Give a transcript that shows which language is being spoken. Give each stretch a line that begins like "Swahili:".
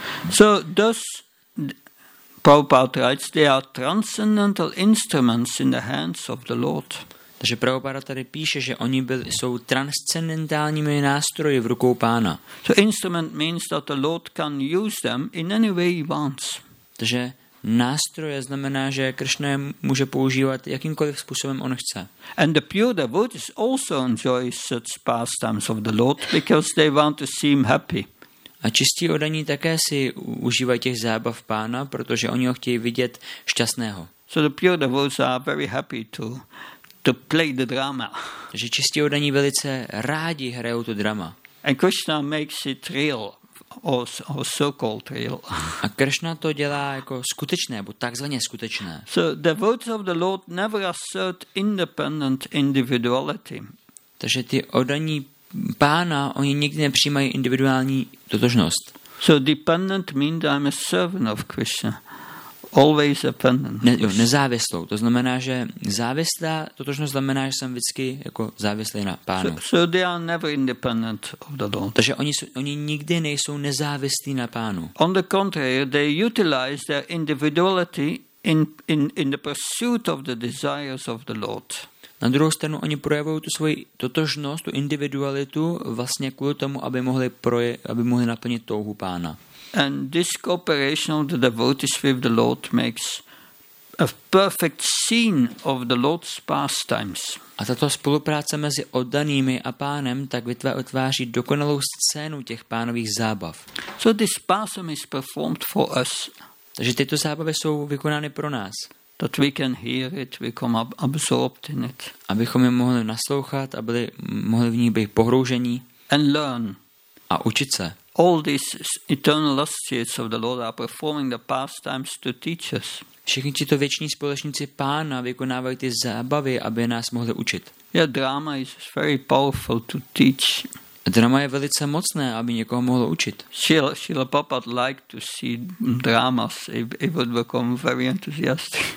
English: So thus Prabhupada writes, they are transcendental instruments in the hands of the Lord.
Czech: Takže Prabhupada tady píše, že oni jsou transcendentálními nástroji v rukou pána.
English: So instrument means that the Lord can use them in any way he wants.
Czech: Takže nástroje znamená, že Krishna může používat jakýmkoliv způsobem on chce.
English: And the pure devotees also enjoy such pastimes of the Lord because they want to seem happy.
Czech: A čistí oddaní také si užívají těch zábav pána, protože oni ho chtějí vidět šťastného.
English: So the pure devotees are very happy to play the drama.
Czech: Že čistí oddaní velice rádi hrajou to drama.
English: And Krishna makes it real, or so-called real.
Czech: A Krishna to dělá jako skutečné, nebo takzvaně skutečné.
English: So devotees of the Lord never assert independent individuality.
Czech: Takže ty oddaní pána, oni nikdy nepřijímají individuální totožnost.
English: So dependent means I'm a servant of Krishna. always dependent.
Czech: Nezávislou. To znamená, že závislá, totožno znamená, že jsem vždycky jako závislý na Pánu.
English: So they are never independent of the Lord.
Czech: Takže oni nikdy nejsou nezávislí na Pánu.
English: On the contrary, they utilize their individuality in the pursuit of the desires of the Lord.
Czech: Na druhou stranu oni projevují tu svoji totožnost, tu individualitu vlastně kvůli tomu, aby mohli naplnit touhu Pána.
English: And this cooperation of the devotees with the Lord makes a perfect scene of the Lord's pastimes.
Czech: A tato spolupráce mezi oddanými a Pánem tak vytváří dokonalou scénu těch pánových zábav.
English: So this pastime is performed for us.
Czech: Takže tyto zábavy jsou vykonány pro nás.
English: That we can hear it, become absorbed in it.
Czech: Abychom je mohli naslouchat, mohli v ní být pohroužení.
English: And learn.
Czech: A učit se.
English: All these eternal associates of the Lord are performing the pastimes to teach us.
Czech: Všichni tito věční společníci Pána vykonávají ty zábavy, aby nás mohli učit.
English: Yeah, drama is very powerful to teach.
Czech: Drama je velice mocné, aby někoho mohlo učit.
English: Srila Prabhupada liked to see dramas. He would become very enthusiastic.